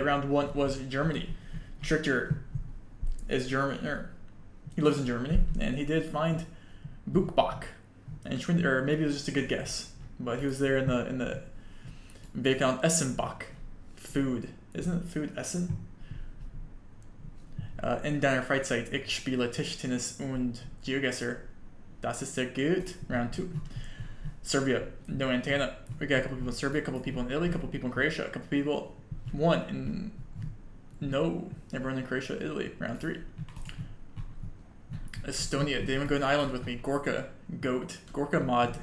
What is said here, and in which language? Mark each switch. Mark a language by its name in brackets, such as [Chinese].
[English] Round one was Germany. Trichter. Is German, or he lives in Germany, and he did find Buchbach, and or maybe it was just a good guess, but he was there in the they found Essenbach, food, isn't it food Essen? [German] In deiner Freizeit, ich spiele Tischtennis und Geogesser. Das ist sehr gut. [English] Round two. Serbia, no antenna. We got a couple people in Serbia, a couple people in Italy, a couple people in Croatia, a couple people. One in. No. Everyone in Croatia, Italy. Round three. Estonia, did anyone go to an island with me? Gorka, goat. Gorka mod.